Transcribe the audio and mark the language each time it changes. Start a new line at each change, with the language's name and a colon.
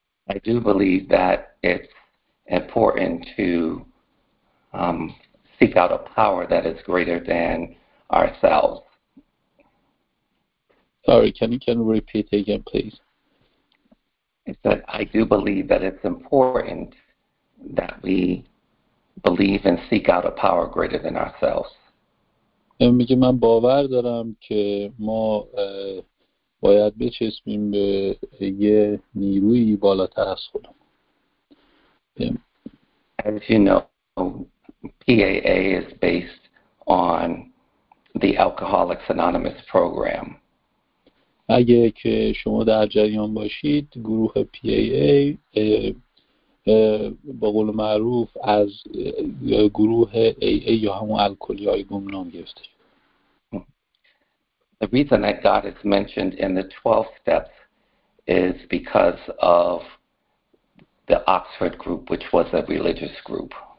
English: I do believe that it's important to seek out a power that is greater than ourselves. Sorry, can you repeat again, please? It's that I do believe that it's important that we believe and seek out a power greater than ourselves.
Persian: میگه من باور دارم که ما باید بچسبیم به یه نیروی بالاتر از خودم.
English: As you know, PAA is based on the Alcoholics Anonymous program.
Persian: اگه که شما در جریان باشید گروه PAA به قول معروف از گروه AA یا همون الکلی‌های گمنام گرفته.
English: The reason that God is mentioned in the 12 steps is because of the Oxford group, which was a religious group.